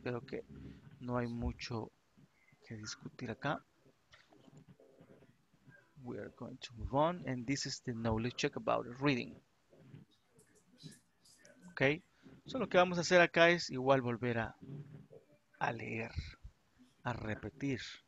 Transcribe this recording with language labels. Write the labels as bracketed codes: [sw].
[es] Creo que no hay mucho que discutir acá. [en] We are going to move on. And this is the knowledge check about reading. Okay. [es] So lo que vamos a hacer acá es igual volver a leer, a repetir.